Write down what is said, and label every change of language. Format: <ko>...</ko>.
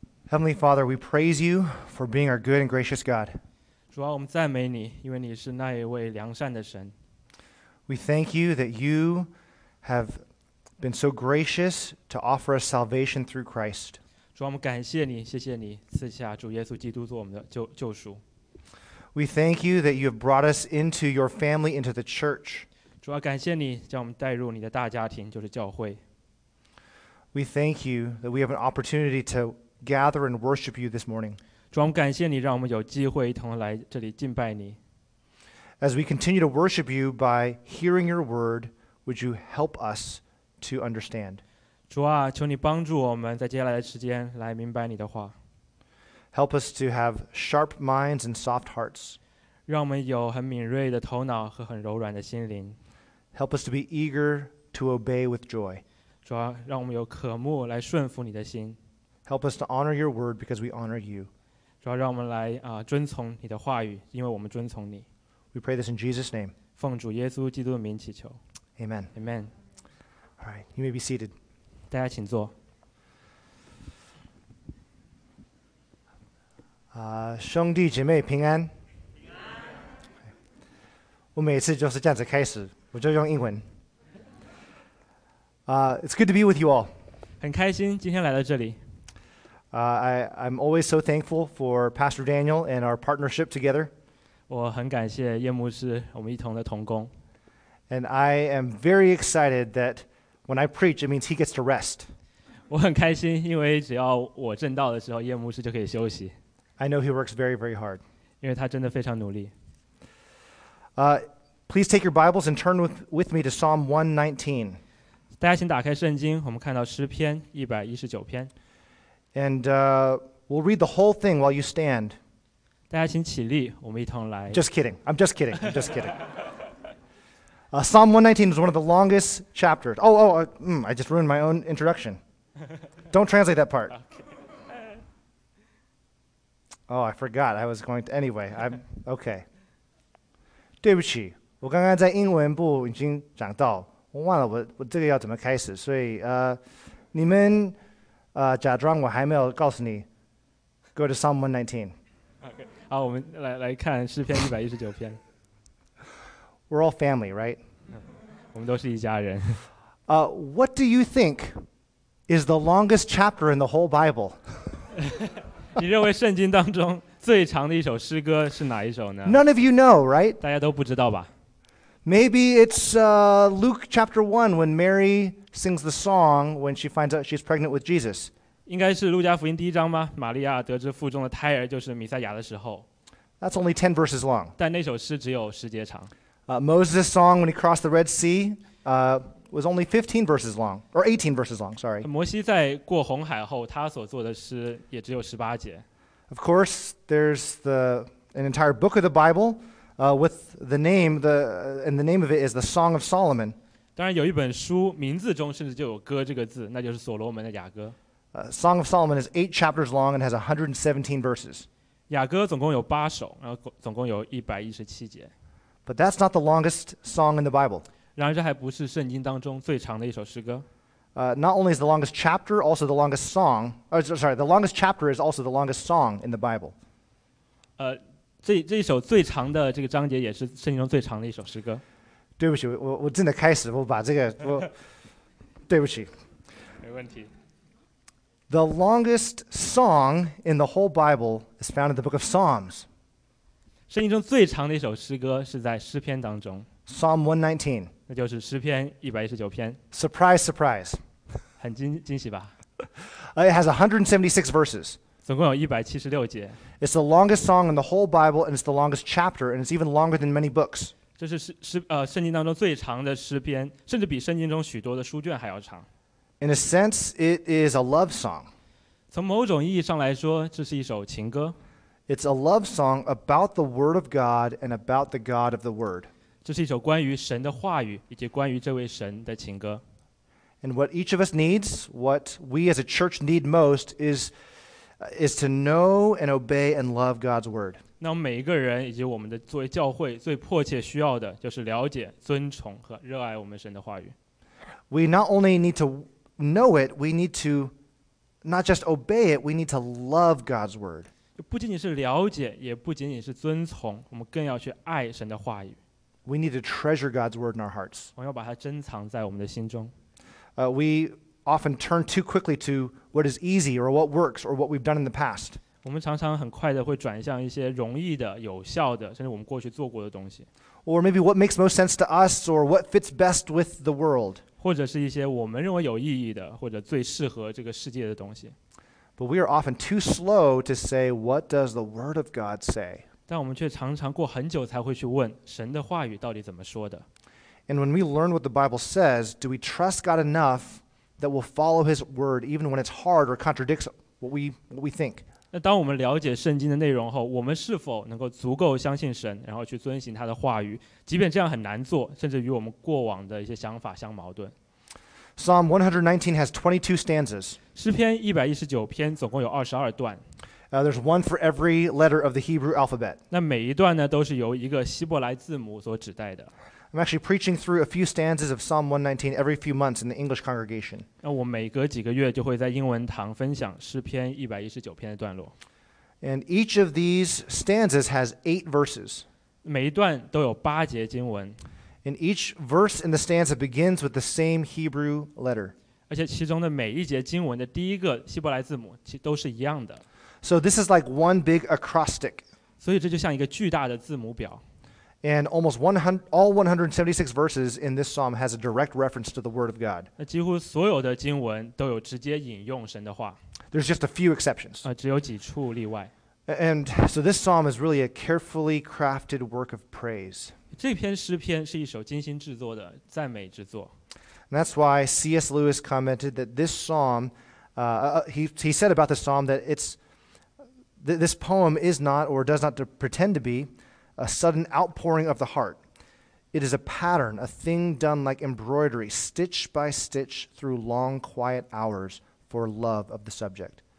<en>Heavenly Father, we praise you for being our good and gracious God.</en> <zh>主啊，我们赞美你，因为你是那一位良善的神。</zh> <en>We thank you that you have been so gracious to offer us salvation through Christ.</en> <zh>主啊，我们感谢你，谢谢你赐下主耶稣基督做我们的救赎。</zh> <en>We thank you that you have brought us into your family, into the church.</en> <zh>主啊，感谢你将我们带入你的大家庭，就是教会。</zh> <en>We thank you that we have an opportunity to gather and worship you this morning.</en> <zh>主啊，我们感谢你让我们有机会一同来这里敬拜你。</zh> <en>As we continue to worship you by hearing your word, would you help us to understand?</en> <zh>主啊，求你帮助我们在接下来的时间来明白你的话。</zh> <en>Help us to have sharp minds and soft hearts.</en> <zh>让我们有很敏锐的头脑和很柔软的心灵。</zh> <en>Help us to be eager to obey with joy.</en> <zh>主啊，让我们有渴慕来顺服你的心。</zh> <en>Help us to honor your word because we honor you.</en> <zh>主啊，让我们来遵从你的话语，因为我们遵从你。</zh> <en>We pray this in Jesus' name.</en> <zh>奉主耶稣基督的名祈求。</zh> <en>Amen. Amen. All right, you may be seated.</en> <zh>大家请坐。兄弟姐妹平安。我每次就是这样子开始，我就用英文。</zh> <en>It's good to be with you all.</en> <zh>很开心今天来到这里。</zh> <en>I'm always so thankful for Pastor Daniel and our partnership together.</en> <zh>我很感谢叶牧师，我们一同的同工。</zh> <en>And I am very excited that when I preach, it means he gets to rest.</en> <zh>我很开心，因为只要我证道的时候，叶牧师就可以休息。</zh> <en>I know he works very, very hard.</en> <zh>因为他真的非常努力。</zh> <en>Please take your Bibles and turn with me to Psalm 119.</en> <zh>大家请打开圣经，我们看到诗篇119篇。</zh> <en>And we'll read the whole thing while you stand.</en> <zh>大家请起立，我们一同来。</zh> <en>Just kidding. I'm just kidding. I'm just kidding. Psalm 119 is one of the longest chapters. I just ruined my own introduction. Don't translate that part. Oh, I forgot. I was going to. Anyway, I'm okay.</en> <zh>对不起，我刚刚在英文部已经讲到，我忘了我这个要怎么开始，所以你们假装我还没有告诉你。</zh> <en>Go to Psalm 119. Okay.</en> <zh>好，我们来看诗篇119篇。</zh> <en>We're all family, right?</en> <zh>我们都是一家人。</zh> <en>What do you think is the longest chapter in the whole Bible?</en> <zh>你认为圣经当中最长的一首诗歌是哪一首呢？</zh> <en>None of you know, right?</en> <zh>大家都不知道吧？</zh> <en>Maybe it's Luke chapter 1 when Mary sings the song when she finds out she's pregnant with Jesus.</en> <zh>应该是路加福音第一章吗？玛利亚得知腹中的胎儿就是弥赛亚的时候。</zh> <en>That's only 10 verses long.</en> <zh>但那首诗只有十节长。</zh> <en>Moses' song when he crossed the Red Sea was only 15 verses long, or 18 verses long, sorry.</en> <zh>摩西在过红海后，他所做的诗也只有十八节。</zh> <en>Of course, there's an entire book of the Bible with the name, and the name of it is the Song of Solomon.</en> <zh>当然有一本书，名字中甚至就有歌这个字，那就是所罗门的雅歌。</zh> <en>Song of Solomon is 8 chapters long and has 117 verses.</en> <zh>雅歌总共有八首，然后总共有117节。</zh> <en>But that's not the longest song in the Bible.</en> <zh>然而这还不是圣经当中最长的一首诗歌。</zh> <en>Not only is the longest chapter also the longest song, or sorry, the longest chapter is also the longest song in the Bible.</en> <zh>这一首最长的这个章节也是圣经中最长的一首诗歌。对不起，我真的开始，我把这个我对不起。没问题。</zh> <en>The longest song in the whole Bible is found in the book of Psalms.</en> <zh>圣经中最长的一首诗歌是在诗篇当中。</zh> <en>Psalm 119。</en> <zh>那就是诗篇119篇。</zh> <en>Surprise, surprise.</en> <zh>很惊喜吧。</zh> <en>It has 176 verses.</en> <zh>总共有176节。</zh> <en>It's the longest song in the whole Bible, and it's the longest chapter, and it's even longer than many books.</en> <zh>这是圣经当中最长的诗篇，甚至比圣经中许多的书卷还要长。</zh> <en>In a sense, it is a love song.</en> <zh>从某种意义上来说，这是一首情歌。</zh> <en>It's a love song about the Word of God and about the God of the Word.</en> <zh>这是一首关于神的话语以及关于这位神的情歌。</zh> <en>And what each of us needs, what we as a church need most, is to know and obey and love God's word.</en> <zh>那我们每一个人以及我们的作为教会最迫切需要的就是了解、尊崇和热爱我们神的话语。</zh> <en>we not only need to know it, we need to not just obey it, we need to love God's word.</en> <zh>不仅仅是了解，也不仅仅是遵从，我们更要去爱神的话语。</zh> <en>We need to treasure God's word in our hearts.</en> <zh>我们要把它珍藏在我们的心中。</zh> <en>We often turn too quickly to what is easy or what works or what we've done in the past.</en> <zh>我们常常很快的会转向一些容易的、有效的，甚至我们过去做过的东西。</zh> <en>Or maybe what makes most sense to us or what fits best with the world.</en> <zh>或者是一些我们认为有意义的或者最适合这个世界的东西。</zh> <en>But we are often too slow to say, what does the word of God say?</en> <zh>但我们却常常过很久才会去问神的话语到底怎么说的。</zh> <en>And when we learn what the Bible says, do we trust God enough that we'll follow his word even when it's hard or contradicts what we think?</en> <zh>那当我们了解圣经的内容后，我们是否能够足够相信神，然后去遵行他的话语，即便这样很难做，甚至与我们过往的一些想法相矛盾。</zh> <en>Psalm 119 has 22 stanzas.</en> <zh>诗篇119篇总共有22段。</zh> <en>There's one for every letter of the Hebrew alphabet.</en> <zh>那每一段呢，都是由一个希伯来字母所指代的。</zh> <en>I'm actually preaching through a few stanzas of Psalm 119 every few months in the English congregation.</en> <zh>那我每隔几个月就会在英文堂分享诗篇119篇的段落。</zh> <en>And each of these stanzas has 8 verses.</en> <zh>每一段都有八节经文。</zh> <en>And each verse in the stanza begins with the same Hebrew letter.</en> <zh>而且其中的每一节经文的第一个希伯来字母其实都是一样的。</zh> <en>So this is like one big acrostic.</en> <zh>所以这就像一个巨大的字母表。</zh> <en>And almost all 176 verses in this psalm has a direct reference to the word of God.</en> <zh>那几乎所有的经文都有直接引用神的话。</zh> <en>There's just a few exceptions.</en> <zh>只有几处例外。</zh> <en>And so this psalm is really a carefully crafted work of praise.</en> <zh>这篇诗篇是一首精心制作的赞美之作。</zh> <en>And that's why C.S. Lewis commented that this psalm, he said about the psalm that this poem is not or does not pretend to be a sudden outpouring of the heart. It is a pattern, a thing done like embroidery, stitch by stitch through long quiet hours for love of the subject.</en>